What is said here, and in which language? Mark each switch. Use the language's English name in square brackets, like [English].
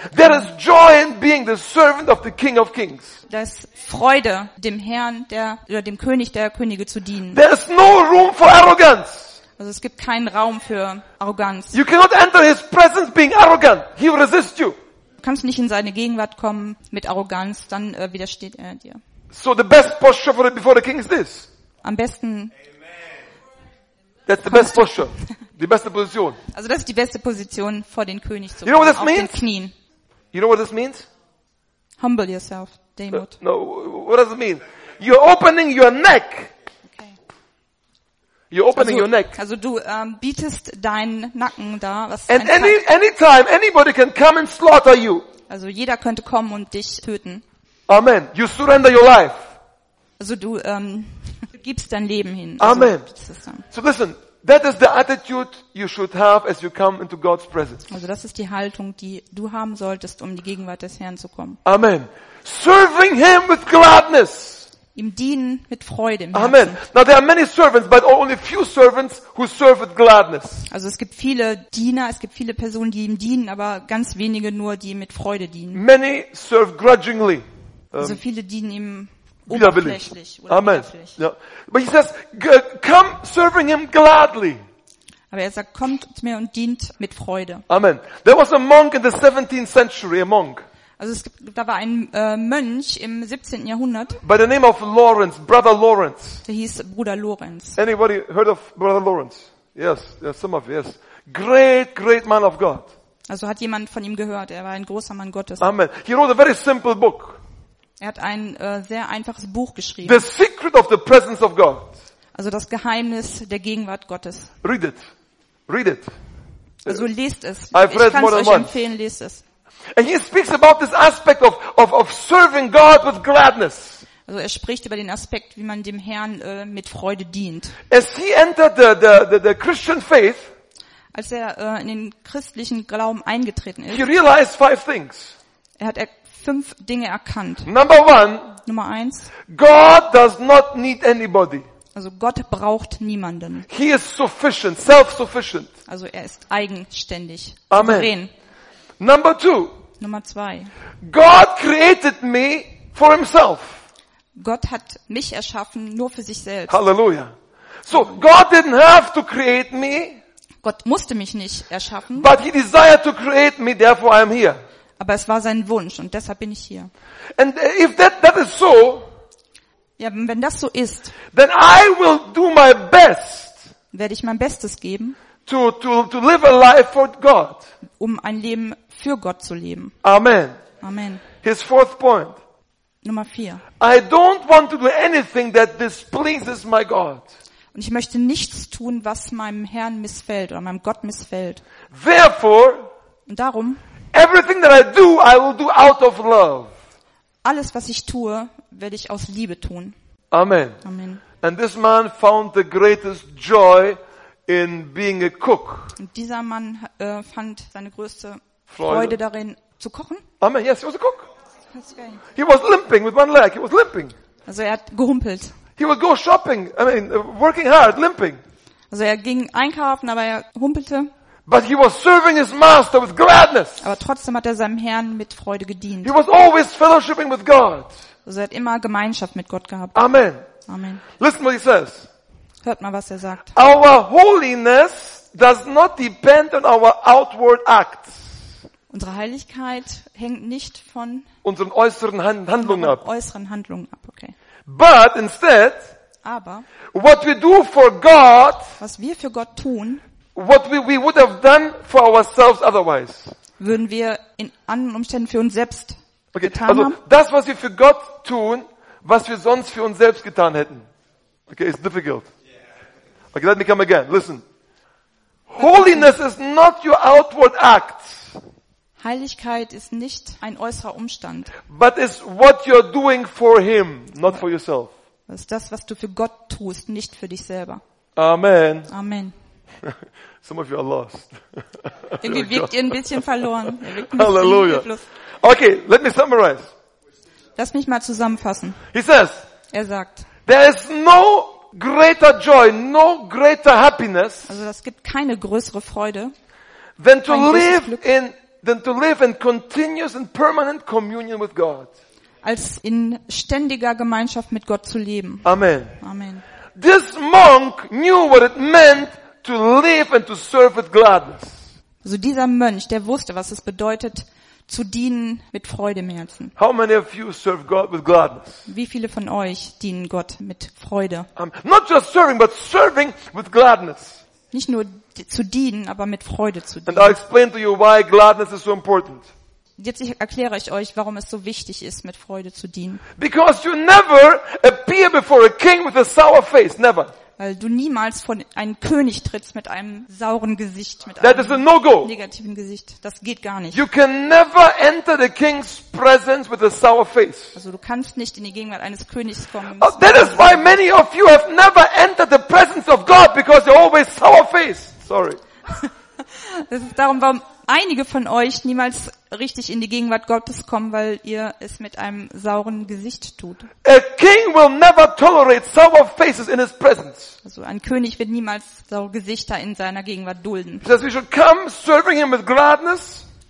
[English] There is joy in being the servant of the King of Kings. [German] Da ist Freude, dem Herrn dem König der Könige zu dienen. [English] There is no room for arrogance. [German] Also es gibt keinen Raum für Arroganz. [English] You cannot enter his presence being arrogant. He will resist you. [German] Du kannst nicht in seine Gegenwart kommen mit Arroganz, dann widersteht er dir. [English] So the best posture for before the king is this. [German] Am besten. [English] Amen. That's the best posture. [German] Die beste Position. Also das ist die beste Position, vor den König zu kommen, auf [English] means? [German] Den Knien. [English] You know what this means? Humble yourself, Demut. No, what does it mean? You're opening your neck. Okay. You're opening [German] also, [English] your neck. [German] Also du bietest deinen Nacken da. Was [English] and anytime anybody can come and slaughter you. [German] Also jeder könnte kommen und dich töten. [English] Amen. You surrender your life. [German] Also du gibst dein Leben hin. [English] Amen. Also, so listen. That is the attitude you should have as you come into God's presence. [German] Also das ist die Haltung, die du haben solltest, um in die Gegenwart des Herrn zu kommen. Amen. [English] Serving him with gladness. [German] Ihm dienen mit Freude. Amen. [English] Now there are many servants, but only few servants who serve with gladness. [German] Also es gibt viele Diener, es gibt viele Personen, die ihm dienen, aber ganz wenige nur, die ihm mit Freude dienen. [English] Many serve grudgingly. [German] Also viele dienen ihm widerwillig. Amen. Ja. [English] But he says, come serving him gladly. [German] Aber er sagt, kommt zu mir und dient mit Freude. Amen. [English] There was a monk in the 17th century, a monk. [German] Also es gibt, da war ein Mönch im 17. Jahrhundert. [English] By the name of Lawrence, Brother Lawrence. [German] Der hieß Bruder Lawrence. [English] Anybody heard of Brother Lawrence? Yes, yes, some of you, yes. Great, great man of God. [German] Also hat jemand von ihm gehört, er war ein großer Mann Gottes. Amen. [English] He wrote a very simple book. [German] Er hat ein sehr einfaches Buch geschrieben. [English] The secret of the presence of God. [German] Also das Geheimnis der Gegenwart Gottes. [English] Read it. Read it. [German] Also lest es. [English] I've read [German] ich kann es euch [English] once. [German] Empfehlen, lest es. [English] And he speaks about this aspect of serving God with gladness. [German] Also er spricht über den Aspekt, wie man dem Herrn mit Freude dient. [English] As he entered the Christian faith, [German] als er in den christlichen Glauben eingetreten ist, [English] he realized five things. [German] Er hat fünf Dinge erkannt. [English] Number one, [German] Nummer eins. [English] God does not need anybody. [German] Also Gott braucht niemanden. [English] He is sufficient, self-sufficient. [German] Also er ist eigenständig. Amen. Souverän. [English] Number two. [German] Nummer zwei. [English] God created me for himself. [German] Gott hat mich erschaffen nur für sich selbst. Halleluja. [English] So God didn't have to create me. [German] Gott musste mich nicht erschaffen. [English] But he desired to create me, therefore I am here. [German] Aber es war sein Wunsch und deshalb bin ich hier. [English] And if that is so, [German] ja, wenn das so ist, [English] then I will do my best, [German] werde ich mein Bestes geben, [English] to live a life for God, [German] um ein Leben für Gott zu leben. Amen. Amen. [English] His fourth point. [German] Nummer vier. [English] I don't want to do anything that displeases my God. [German] Und ich möchte nichts tun, was meinem Herrn missfällt oder meinem Gott missfällt. [English] Therefore. [German] Und darum. [English] Everything that I do, I will do out of love. [German] Alles, was ich tue, werde ich aus Liebe tun. Amen. Amen. [English] And this man found the greatest joy in being a cook. [German] Und dieser Mann fand seine größte Freude darin zu kochen. [English] Amen. Yes, he was a cook. He was limping with one leg. He was limping. [German] Also er hat gehumpelt. [English] He would go shopping. I mean, working hard, limping. [German] Also er ging einkaufen, aber er humpelte. [English] But he was serving his master with gladness. [German] Aber trotzdem hat er seinem Herrn mit Freude gedient. [English] He was always fellowshipping with God. [German] Also er hat immer Gemeinschaft mit Gott gehabt. Amen. Amen. [English] Listen what he says. [German] Hört mal, was er sagt. [English] Our holiness does not depend on our outward acts. [German] Unsere Heiligkeit hängt nicht von unseren äußeren Handlungen ab. Äußeren Handlungen ab, okay. [English] But instead, [German] aber [English] what we do for God, [German] was wir für Gott tun, [English] what we would have done for ourselves otherwise, [German] würden wir in anderen Umständen für uns selbst [English] okay. [German] getan also, haben. Das, was wir für Gott tun, was wir sonst für uns selbst getan hätten. [English] Okay, it's difficult. Okay, let me come again. Listen. Holiness is not your outward act. [German] Heiligkeit ist nicht ein äußerer Umstand. [English] But it's what you're doing for him, not for yourself. [German] Das ist das, was du für Gott tust, nicht für dich selber. Amen. Amen. [English] Some of you are lost. [German] Irgendwie wirkt ihr ein bisschen verloren. [English] Halleluja. Okay, let me summarize. [German] Lass mich mal zusammenfassen. [English] He says, [German] er sagt, [English] there is no greater joy, no greater happiness. [German] Also es gibt keine größere Freude. [English] Than to live in continuous and permanent communion with God. [German] Als in ständiger Gemeinschaft mit Gott zu leben. Amen. Amen. [English] This monk knew what it meant to live and to serve with gladness. [German] Also dieser Mönch, der wusste, was es bedeutet, zu dienen mit Freude im Herzen. [English] How many of you serve God with gladness? [German] Wie viele von euch dienen Gott mit Freude? [English] Not just serving, but serving with gladness. [German] Nicht nur zu dienen, aber mit Freude zu dienen. [English] And I'll explain to you why gladness is so important. [German] Jetzt erkläre ich euch, warum es so wichtig ist, mit Freude zu dienen. [English] Because you never appear before a king with a sour face, never. [German] Weil du niemals vor einen König trittst mit einem sauren Gesicht, mit [English] that [German] einem [English] no-go. [German] Negativen Gesicht. Das geht gar nicht. [English] You can never enter the king's presence with a sour face. [German] Also du kannst nicht in die Gegenwart eines Königs kommen. [English] That is why many of you have never entered the presence of God, because you're always sour face. Sorry. [German] Das ist darum, warum einige von euch niemals richtig in die Gegenwart Gottes kommen, weil ihr es mit einem sauren Gesicht tut. [English] A king will never tolerate sour faces in his presence. [German] Also ein König wird niemals saure Gesichter in seiner Gegenwart dulden. [English] He says we should come serving him with gladness.